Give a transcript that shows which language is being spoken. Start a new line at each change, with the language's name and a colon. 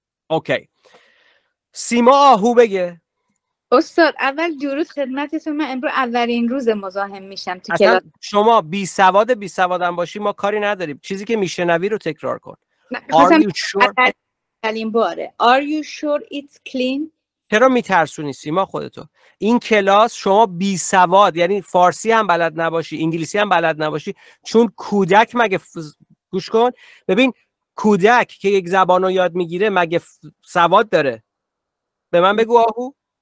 Persian: اوکی. سیما آهو بگه. استاد اول درود خدمتتون، من امروز اولین روز مزاحم میشم تو کلاس. شما بی سواد بی سوادم باشی ما کاری نداریم، چیزی که میشنوی رو تکرار کن.
English: Are you sure? Are you sure it's clean?
Persian: چه چرا میترسونی سیما خودتو؟ این کلاس شما بی سواد، یعنی فارسی هم بلد نباشی، انگلیسی هم بلد نباشی، چون کودک مگه گوش کن ببین، کودک که یک زبانو یاد میگیره مگه سواد داره؟ به من بگو آهو.